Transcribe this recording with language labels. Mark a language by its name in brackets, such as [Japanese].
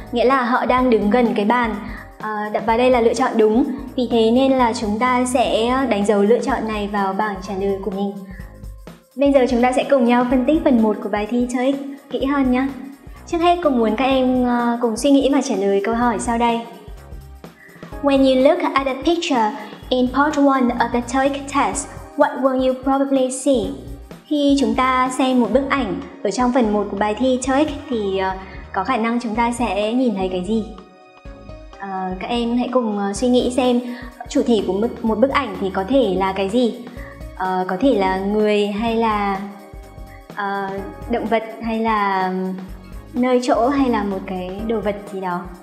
[Vietnamese] Nghĩa là họ đang đứng gần cái bàn. Và đây là lựa chọn đúng. Vì thế nên là chúng ta sẽ đánh dấu lựa chọn này vào bảng trả lời của mình. Bây giờ chúng ta sẽ cùng nhau phân tích phần 1 của bài thi TOEIC kỹ hơn nhé. Trước hết cùng muốn các em cùng suy nghĩ và trả lời câu hỏi sau đây. [English] When you look at a picture in part 1 of the TOEIC test, what will you probably see? [Vietnamese] Khi chúng ta xem một bức ảnh ở trong phần 1 của bài thi TOEIC thì có khả năng chúng ta sẽ nhìn thấy cái gì? Các em hãy cùng suy nghĩ xem chủ thể của một bức ảnh thì có thể là cái gì? Có thể là người hay là động vật hay là nơi chỗ hay là một cái đồ vật gì đó.